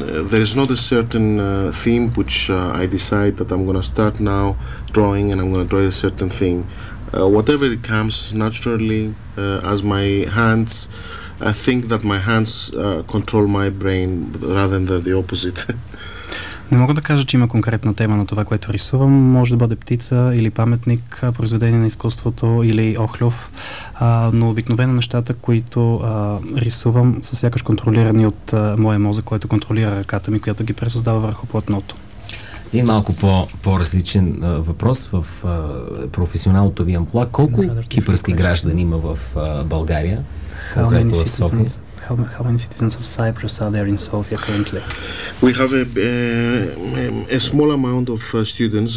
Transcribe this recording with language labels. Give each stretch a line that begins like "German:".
English: There is not a certain theme which I decide that I'm going to start now drawing and I'm going to draw a certain thing. Whatever it comes naturally, as my hands, I think that my hands control my brain rather than the opposite.
Bulgarian: Не мога да кажа, че има конкретна тема на това, което рисувам. Може да бъде птица или паметник, произведение на изкуството или охлюв, но обикновено нещата, които рисувам, са сякаш контролирани от моя мозък, който контролира ръката ми, която ги пресъздава върху платното. И малко по-различен въпрос в професионалното ви амплуа. Колко кипърски граждани има в България?
English: How many citizens of Cyprus are there in Sofia currently? We have a small amount of students.